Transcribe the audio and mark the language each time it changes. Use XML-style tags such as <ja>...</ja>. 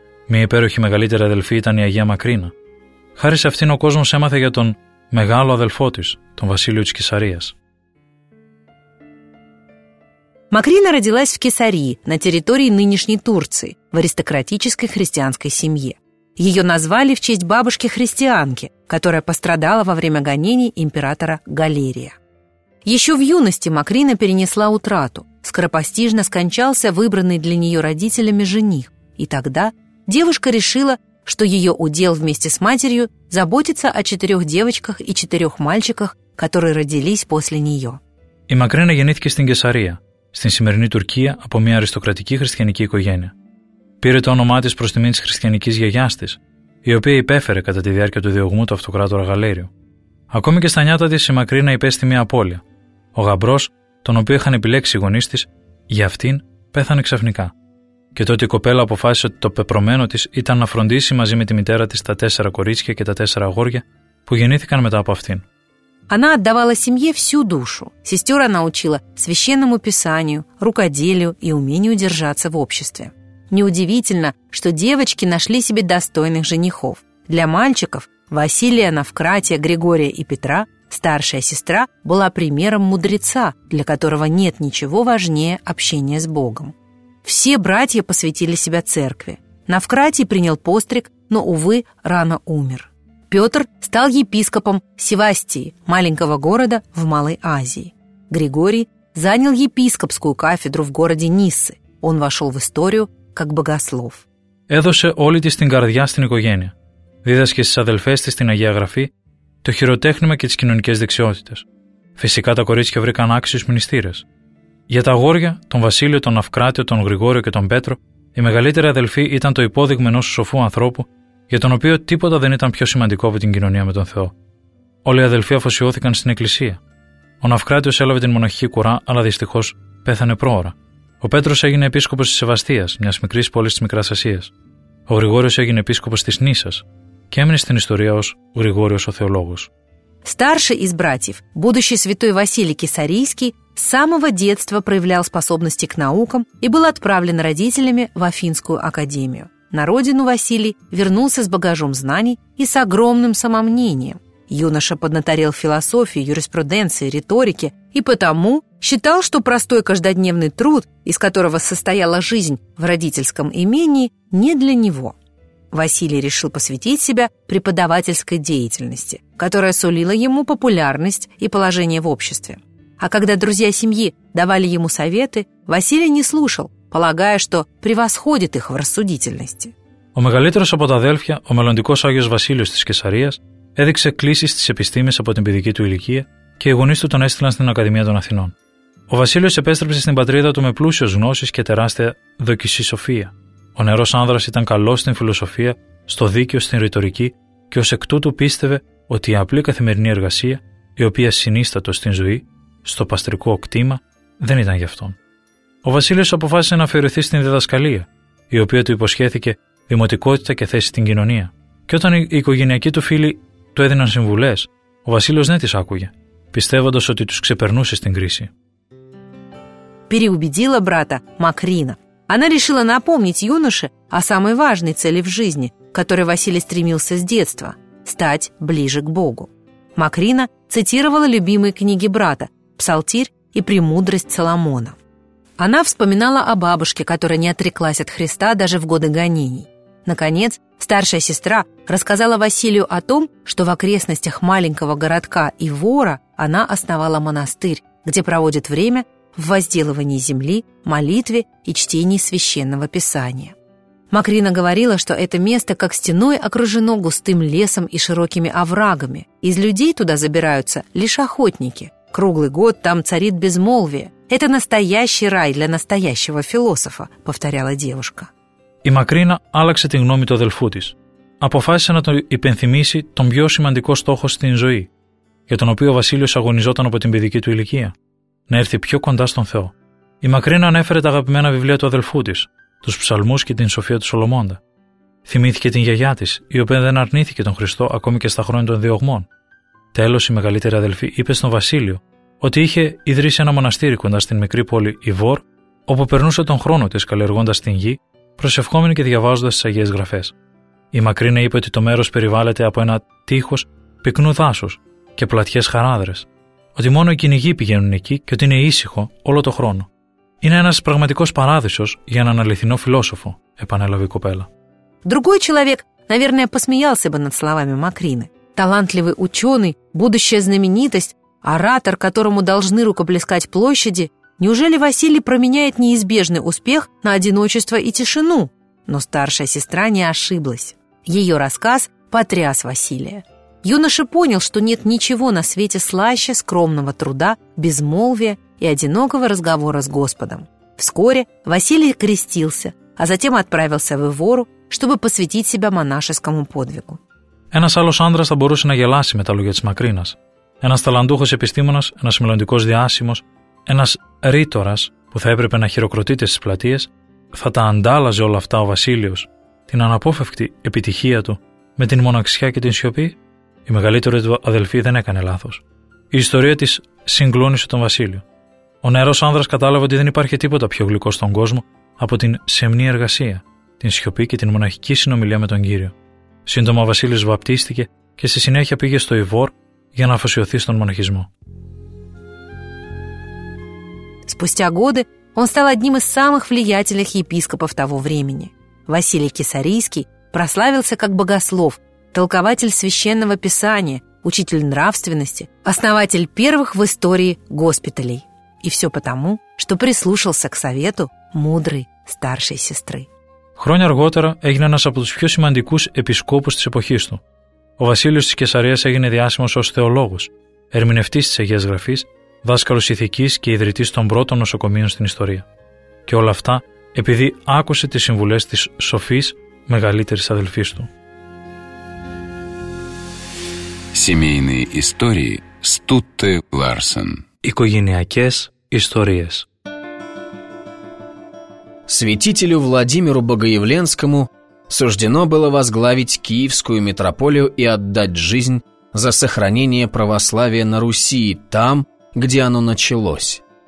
<el>Μια υπέροχη μεγαλύτερη αδελφή ήταν η Αγία Μακρίνα. Χάρη σε αυτήν ο κόσμος έμαθε για τον μεγάλο αδελφό της, τον Βασίλειο της Κεσαρίας.</el> <ru>Макрина родилась в Кесарии, на территории нынешней Турции, в аристократической христианской семье. Ее назвали в честь бабушки-христианки, которая пострадала во время гонений императора Галерия. Еще в юности Макрина перенесла утрату. Скоропостижно скончался выбранный для нее родителями жених. И тогда девушка решила, что ее удел вместе с матерью заботиться о четырех девочках и четырех мальчиках, которые родились после нее.</ru> <el>И Макрина γεννήθηκε στην Кесария, στην σημερινή Τουρκία, από μια αριστοκρατική χριστιανική οικογένεια. Πήρε το όνομά της προς τιμή της χριστιανικής γιαγιάς της, η οποία υπέφερε κατά τη διάρκεια του διωγμού του αυτοκράτορα Γαλέριου. Ακόμη και στα νιάτα της, η Μακρίνα υπέστη μια απώλεια. Ο γαμπρός, τον οποίο είχαν επιλέξει οι γονείς της, για αυτήν πέθανε ξαφνικά. Και τότε η κοπέλα αποφάσισε ότι το πεπρωμένο της ήταν να φροντίσει μαζί με τη μητέρα της τα τέσσερα κορίτσια και τα τέσσερα αγόρια που γεννήθηκαν μετά από αυτήν.</el> <ru>Она отдавала семье всю душу. Сестер она учила священному писанию, рукоделию и умению держаться в обществе. Неудивительно, что девочки нашли себе достойных женихов. Для мальчиков Василия, Навкратия, Григория и Петра старшая сестра была примером мудреца, для которого нет ничего важнее общения с Богом. Все братья посвятили себя церкви. Навкратий принял постриг, но, увы, рано умер. Петр стал епископом Севастии, маленького города в Малой Азии. Григорий занял епископскую кафедру в городе Ниссы. Он вошел в историю как богослов.</ru> <el>Έδωσε όλη της την καρδιά στην οικογένεια. Δίδασκε στις αδελφές της την Αγία Γραφή, το χειροτέχνημα και τις κοινωνικές δεξιότητες. Φυσικά τα κορίτσια βρήκαν άξιους μνηστήρες. Για τα αγόρια, τον Βασίλειο, τον Αυκράτιο, τον Γρηγόριο και τον Πέτρο, η μεγαλύτερη αδελφή ήταν το υπόδειγμα ενός σοφού ανθρώπου για τον οποίο τίποτα δεν ήταν πιο σημαντικό από την κοινωνία με τον Θεό. Όλοι οι αδελφοί αφοσιώθηκαν στην εκκλησία. Ο Ναυκράτιος έλαβε την μοναχική κουρά, αλλά δυστυχώς πέθανε πρόωρα. Ο Πέτρος έγινε επίσκοπος της Σεβαστίας, μιας μικρής πόλης της Μικράς Ασίας. Ο Γρηγόριος έγινε επίσκοπος της Νίσας και έμεινε στην ιστορία ως Γρηγόριος ο Θεολόγος.</el> <ru>Старший из братьев, будущий святой Василий Кесарийский, с самого детства проявлял способности к наукам и был отправлен родителями в Афинскую академию. На родину Василий вернулся с багажом знаний и с огромным самомнением. Юноша поднаторел философии, юриспруденции, риторики и потому считал, что простой каждодневный труд, из которого состояла жизнь в родительском имении, не для него. Василий решил посвятить себя преподавательской деятельности, которая сулила ему популярность и положение в обществе. А когда друзья семьи давали ему советы, Василий не слушал, полагая, что превосходит их в рассудительности.</ru> <el>Ο μεγαλύτερος από τα αδέλφια, ο μελλοντικός Άγιος Βασίλειος της Κεσαρίας, έδειξε κλίσεις στις επιστήμες από την παιδική του ηλικία και οι γονείς του τον έστειλαν στην Ακαδημία των Αθηνών. Ο Βασίλειος επέστρεψε στην πατρίδα του με πλούσιες γνώσεις και τεράστια δοκισή σοφία. Ο νεαρός άνδρας ήταν καλός στην φιλοσοφία, στο δίκαιο, στην ρητορική και ως εκ τούτου πίστευε ότι η απλή καθημερινή εργασία, η οποία συνίστατο στην ζωή, στο παστρικό κτήμα, δεν ήταν γι' αυτόν. Ο Βασίλειος αποφάσισε να αφιερωθεί στην διδασκαλία, η οποία του υποσχέθηκε δημοτικότητα και θέση στην κοινωνία. Και όταν οι οικογενειακοί του φίλοι του έδιναν συμβουλές, ο Βασίλειος δεν τις άκουγε, πιστεύοντας ότι τους ξεπερνούσε στην κρίση.</el> <ru>Переубедила брата Макрина. Она решила напомнить юноше о самой важной цели в жизни, которой Василий стремился с детства – стать ближе к Богу. Макрина цитировала любимые книги брата «Псалтирь» и «Премудрость Соломона». Она вспоминала о бабушке, которая не отреклась от Христа даже в годы гонений. Наконец, старшая сестра рассказала Василию о том, что в окрестностях маленького городка Ивора она основала монастырь, где проводит время в возделывании земли, молитве и чтении Священного Писания. Макрина говорила, что это место как стеной окружено густым лесом и широкими оврагами. Из людей туда забираются лишь охотники. Круглый год там царит безмолвие. Это настоящий рай для настоящего философа, повторяла девушка.</ru> <el>Η Μακρίνα άλλαξε την γνώμη του αδελφού της. Αποφάσισε να του υπενθυμίσει τον πιο σημαντικό στόχο στην ζωή, για τον οποίο ο Βασίλειος αγωνιζόταν από την παιδική του ηλικία. Να έρθει πιο κοντά στον Θεό. Η Μακρίνα ανέφερε τα αγαπημένα βιβλία του αδελφού της, τους Ψαλμούς και την Σοφία του Σολομώντα. Θυμήθηκε την γιαγιά της, η οποία δεν αρνήθηκε τον Χριστό ακόμη και στα χρόνια των διωγμών. Τέλος, η μεγαλύτερη αδελφή είπε στον Βασίλειο ότι είχε ιδρύσει ένα μοναστήρι κοντά στην μικρή πόλη Ιβόρ, όπου περνούσε τον χρόνο της καλλιεργώντας την γη, προσευχόμενη και διαβάζοντας τις Αγίες Γραφές. Η Μακρίνα είπε ότι το μέρος περιβάλλεται από ένα τείχος πυκνού δάσους και πλατιές χαράδρες. Ότι μόνο οι κυνηγοί πηγαίνουν εκεί και ότι είναι ήσυχο όλο το χρόνο. Είναι ένας πραγματικός παράδεισος για έναν αληθινό φιλόσοφο, επανέλαβε η κοπέλα.</el> <ru>Другой человек, наверное, посмеялся бы над словами Макрины. Талантливый ученый, будущая знаменитость, оратор, которому должны рукоплескать площади. Неужели Василий променяет неизбежный успех на одиночество и тишину? Но старшая сестра не ошиблась. Ее рассказ потряс Василия. Юноша понял, что нет ничего на свете слаще скромного труда, безмолвия и одинокого разговора с Господом. Вскоре Василий крестился, а затем отправился в Ивору, чтобы посвятить себя монашескому подвигу.</ru> <el>Ένας άλλος άντρας θα μπορούσε να γελάσει με τα λόγια της Μακρίνας. Ένας ταλαντούχος επιστήμονας, ένας μελλοντικός διάσημος, ένας ρήτορας που θα έπρεπε να χειροκροτείται στις πλατείες, θα τα αντάλλαζε όλα αυτά ο Βασίλειος, την αναπόφευκτη επιτυχία του, με την μοναξιά και την σιωπή. Η μεγαλύτερη του αδελφή δεν έκανε λάθος. Η ιστορία της συγκλώνησε τον Βασίλειο. Ο νεαρός άνδρας κατάλαβε ότι δεν υπάρχει τίποτα πιο γλυκό στον κόσμο από την σεμνή εργασία, την σιωπή και την μοναχική συνομιλία με τον Κύριο. Σύντομα ο Βασίλειος βαπτίστηκε και στη συνέχεια πήγε στο Ιβόρ για να αφοσιωθεί στον μοναχισμό.</el> <ru>Спустя годы он стал одним из самых влиятельных епископов того времени. Василий Кесарийский прославился как богослов, толкователь священного писания, учитель нравственности, основатель первых в истории госпиталей. И все потому, что прислушался к совету мудрой старшей сестры.</ru> <el>Хроня аргότερα έγινε ένας από τους πιο σημαντικούς επισκόπους της εποχής του. Ο Βασίλειος της Κεσαρίας έγινε διάσημος ως θεολόγος, ερμηνευτής της Αγίας Γραφής, δάσκαλος ηθικής και ιδρυτής των πρώτων νοσοκομείων στην ιστορία. Και όλα αυτά επειδή άκουσε τις συμβουλές της σοφής μεγαλύτερης αδελφής του.</el> <ru>Семейные истории Стутте Ларсен.</ru> <el>Икогениакес историес.</el> <ru>Святителю Владимиру Богоявленскому суждено было возглавить Киевскую митрополию и отдать жизнь за сохранение православия на Руси там, где оно началось.</ru>